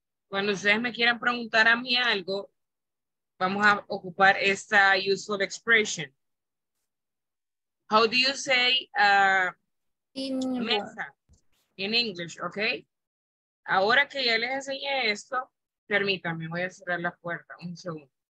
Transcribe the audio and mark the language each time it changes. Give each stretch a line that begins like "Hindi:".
Spanish: Cuando ustedes me quieran preguntar a mí algo, vamos a ocupar esta
English: useful expression. How do you say mesa in English, okay?
Spanish: Ahora que ya les enseñé esto, permítanme, voy a cerrar la puerta un segundo.